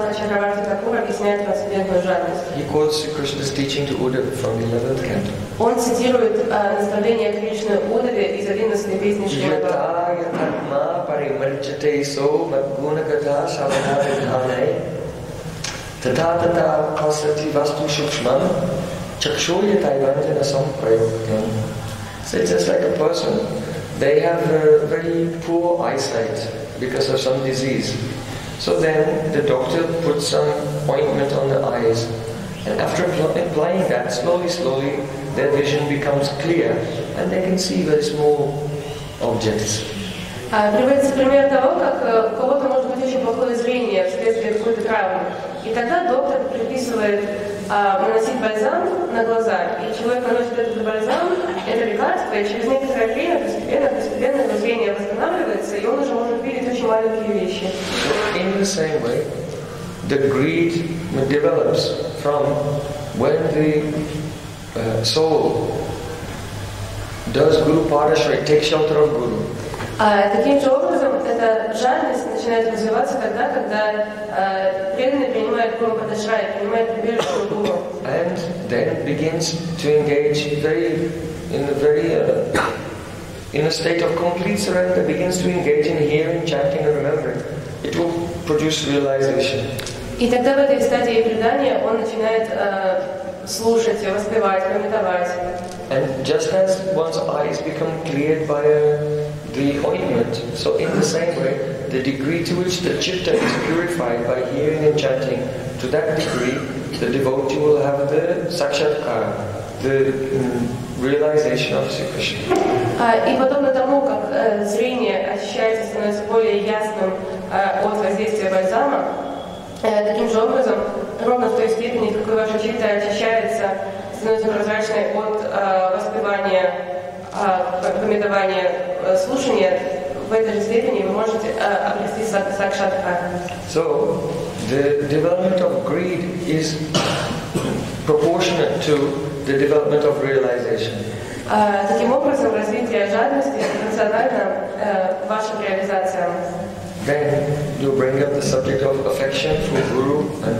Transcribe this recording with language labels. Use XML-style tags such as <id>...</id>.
<en>He quotes Krishna's teaching to Uddhava from the 11th canto.</en> <ru>Он цитирует наставление Кришны Удаве из 11-й песни Шримад</ru> <sa>Бхагаватам. Yata yatatma parimarjate so madgunakata savadhati dhanai.</sa> <en>So it's just like a person, they have a very poor eyesight because of some disease. So then the doctor puts some ointment on the eyes, and after applying that, slowly, slowly, their vision becomes clear, and they can see very small objects.</en> <ru>Приводится пример того, как у кого-то может быть очень плохое зрение вследствие какой-то травмы. И тогда доктор предписывает наносить бальзам на глаза, и человек наносит этот бальзам, это лекарство, и через некоторое время постепенно его зрение восстанавливается, и он уже может видеть очень маленькие вещи.</ru> <en>In the same way, the greed develops from when the soul does Guru Parashray, takes shelter of Guru.</en> <ru>Таким же образом, эта жадность начинает развиваться тогда, когда преданный принимает Гуру Падашрай, принимает прибежище у Гуру.</ru> <en>And then begins to engage in a state of complete surrender, begins to engage in hearing, chanting and remembering. It will produce realization.</en> <ru>И тогда в этой стадии предания он начинает слушать, воспевать, памятовать.</ru> <en>And just as one's eyes become cleared by the ointment, so in the same way, the degree to which the chitta is purified by hearing and chanting, to that degree, the devotee will have the sakshatkara, the realization of Sri Krishna.</en> <ru>И подобно тому, как зрение ощущается, становится более ясным от воздействия бальзама, таким же образом, ровно в той степени, в какой ваша читта очищается, становится прозрачной от воспевания, памятования, слушания, в этой же степени вы можете обрести сакшатхар.</ru> <en>So, the development of greed is proportionate to the development of realization.</en> <ru>Таким образом, развитие жадности пропорционально вашим реализациям.</ru> <en>Then you bring up the subject of affection for Guru and</en>